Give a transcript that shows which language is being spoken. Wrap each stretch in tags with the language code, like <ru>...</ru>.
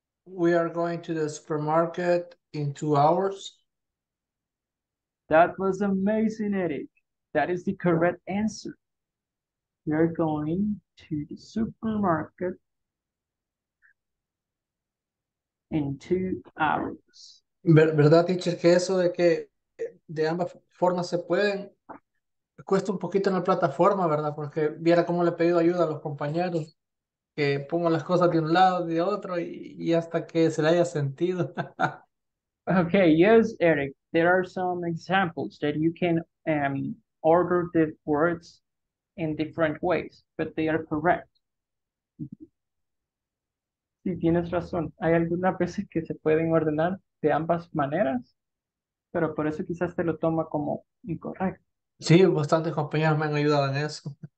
<en>We are going to the supermarket in 2 hours. That was amazing, Eric. That is the correct answer. We are going to the supermarket in 2 hours.</en> <es>¿Verdad, teacher, que eso de que de ambas formas se pueden? Cuesta un poquito en la plataforma, ¿verdad? Porque viera cómo le he pedido ayuda a los compañeros, que pongo las cosas de un lado, de otro, y hasta que se le haya sentido.</es> <en>Okay, yes, Eric. There are some examples that you can order the words in different ways, but they are correct.</en> <es>Sí, tienes razón. Hay algunas veces que se pueden ordenar de ambas maneras, pero por eso quizás te lo toma como incorrecto. Sí, bastantes compañeros me han ayudado en eso.</es>